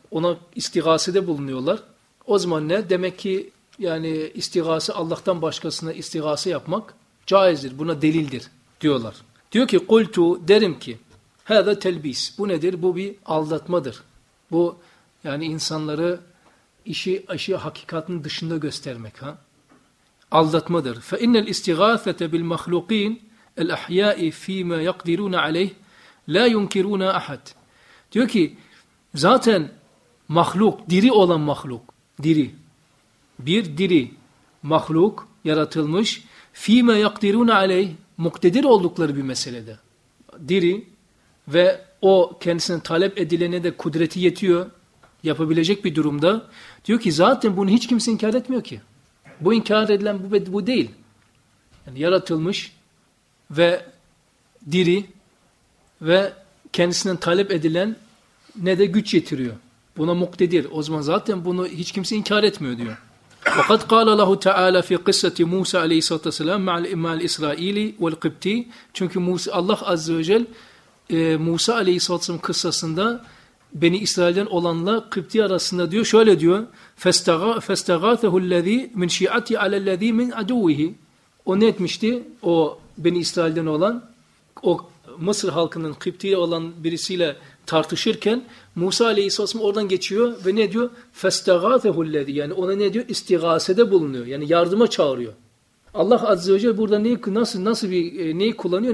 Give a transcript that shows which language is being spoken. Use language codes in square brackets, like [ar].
[tr] Ona istigasede bulunuyorlar. O zaman ne? Demek ki yani istigası Allah'tan başkasına istigası yapmak caizdir. Buna delildir diyorlar. Diyor ki kultu derim ki [ar] هذا تلبيس. [tr] Bu nedir? Bu bir aldatmadır. Bu yani insanları işi hakikatin dışında göstermek ha. Aldatmadır. [ar] فَاِنَّ الْاِسْتِغَاثَةَ بِالْمَخْلُقِينَ الْاَحْيَاءِ فِي مَا يَقْدِرُونَ عَلَيْهِ لَا يُنْكِرُونَ اَحَدٍ [tr] Diyor ki zaten mahluk, diri olan mahluk, diri. Bir diri mahluk yaratılmış. [ar] فِي مَا يَقْدِرُونَ عَلَيْهِ [tr] Muktedir oldukları bir meselede. Diri ve o kendisine talep edilene de kudreti yetiyor. Yapabilecek bir durumda. Diyor ki zaten bunu hiç kimse inkar etmiyor ki. Bu inkar edilen bu değil. Yani yaratılmış ve diri ve kendisinden talep edilen ne de güç yetiriyor. Buna muktedir. O zaman zaten bunu hiç kimse inkar etmiyor diyor. [ar] وَقَدْ قَالَ لَهُ تَعَالَى فِي قِسَّةِ مُوسَى عَلَيْهِ سَلَامٍ مَعَ الْاِمَّا الْاِسْرَائِيلِ وَالْقِبْتِ [tr] Çünkü Allah Azze ve Celle Musa Aleyhisselatü'nün kıssasında Beni İsrail'den olanla Kıpti arasında diyor, şöyle diyor, [ar] فَاسْتَغَاثَهُ الَّذ۪ي مِنْ شِعَةِ عَلَى الَّذ۪ي مِنْ عَدُوِّهِ [tr] O ne etmişti? O Beni İsrail'den olan, o Mısır halkının Kıpti olan birisiyle tartışırken, Musa Aleyhisselam oradan geçiyor ve ne diyor? [ar] فَاسْتَغَاثَهُ الَّذ۪ي [tr] Yani ona ne diyor? İstigasede bulunuyor. Yani yardıma çağırıyor. Allah Azze ve Celle burada neyi kullanıyor?